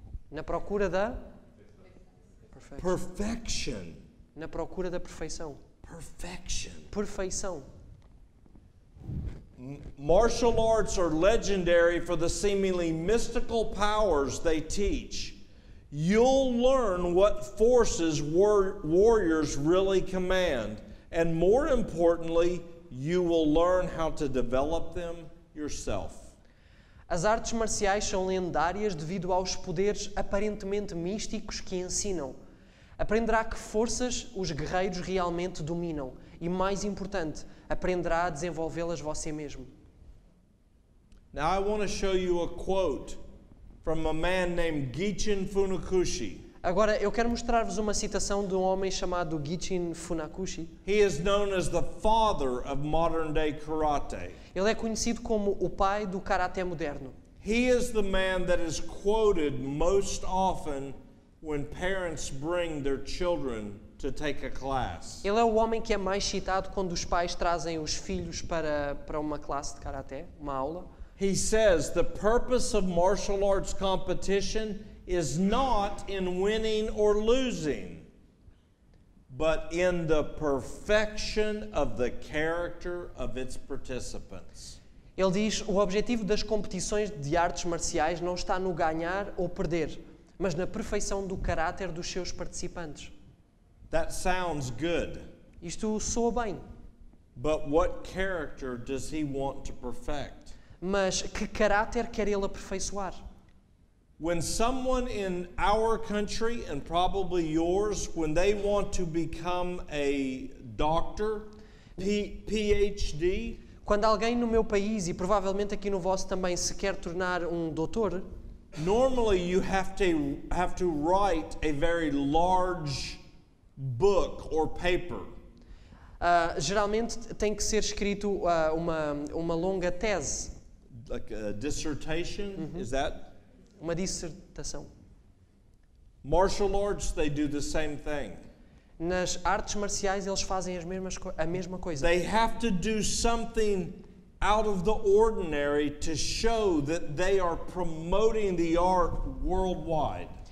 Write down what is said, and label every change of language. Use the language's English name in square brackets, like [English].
[Portuguese] Na procura da... [English] Perfection. [Portuguese] Na procura da perfeição. [English] Perfection. [Portuguese] Perfeição. [English] Martial arts are legendary for the seemingly mystical powers they teach. You'll learn what forces warriors really command, and more importantly, you will learn how to develop them yourself. [Portuguese] As artes marciais são lendárias devido aos poderes aparentemente místicos que ensinam. Aprenderá que forças os guerreiros realmente dominam e, mais importante, aprenderá a desenvolvê-las você mesmo. [English] Now I want to show you a quote from a man named Gichin Funakoshi. [Portuguese] Agora eu quero mostrar-vos uma citação de um homem chamado Gichin Funakoshi. [English] He is known as the father of modern day karate. [Portuguese] Ele é conhecido como o pai do karate moderno. [English] He is the man that is quoted most often when parents bring their children to take a class. [Portuguese] Ele é o homem que é mais citado quando os pais trazem os filhos para uma classe de karaté, uma aula. [English] He says the purpose of martial arts competition is not in winning or losing, but in the perfection of the character of its participants. [Portuguese] Ele diz o objetivo das competições de artes marciais não está no ganhar ou perder, mas na perfeição do caráter dos seus participantes. [English] That sounds good. [Portuguese] Isto soa bem. [English] But what character does he want to perfect? [Portuguese] Mas que caráter quer ele aperfeiçoar? [English] When someone in our country, and probably yours, when they want to become a doctor, PhD, [Portuguese] quando alguém no meu país, e provavelmente aqui no vosso também, se quer tornar um doutor, [English] normally you have to write a very large book or paper. [Portuguese] Geralmente tem que ser escrito uma longa tese. [English] Like a dissertation, mm-hmm. Is that? [Portuguese] Uma dissertação. [English] Martial arts, they do the same thing. [Portuguese] Nas artes marciais eles fazem a mesma coisa. [English] They have to do something out of the ordinary to show that they are promoting the art worldwide.